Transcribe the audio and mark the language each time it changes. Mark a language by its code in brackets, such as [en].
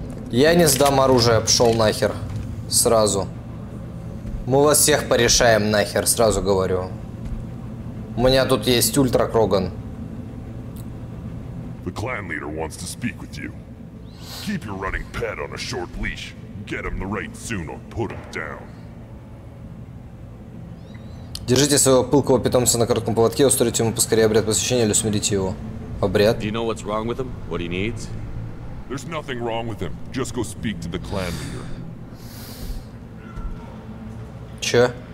[ru] Я не сдам оружие, пошел нахер. Сразу. Мы вас всех порешаем нахер, сразу говорю. У меня тут есть ультра-кроган. [en] The clan leader wants to speak with you. Keep your running pet on a short leash. Get him the right soon or put him down. [ru] Держите своего пылкого питомца на коротком поводке, устроите ему поскорее обряд посвящения или усмирите его. Обряд. [en] Do you know what's wrong with him? What he needs? There's nothing wrong with him. Just go speak to the clan leader. [ru] Че?